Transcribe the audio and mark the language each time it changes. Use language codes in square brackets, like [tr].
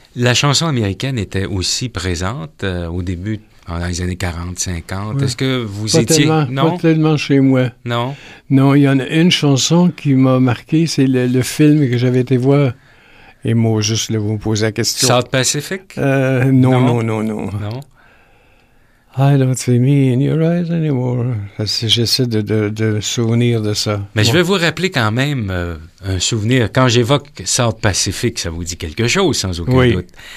[fr] La chanson américaine était aussi présente au début, dans les années 40-50. Oui. Est-ce que vous pas étiez... Tellement, non? Pas tellement chez moi. Non? Non, il y en a une chanson qui m'a marqué, c'est le film que j'avais été voir. Et moi, juste, là, vous me posez la question. South Pacific? Non. Non? [en] I don't see me in your eyes anymore. [fr] J'essaie de souvenir de ça. Mais je vais vous rappeler quand même un souvenir. Quand j'évoque South Pacific, ça vous dit quelque chose, sans aucun doute.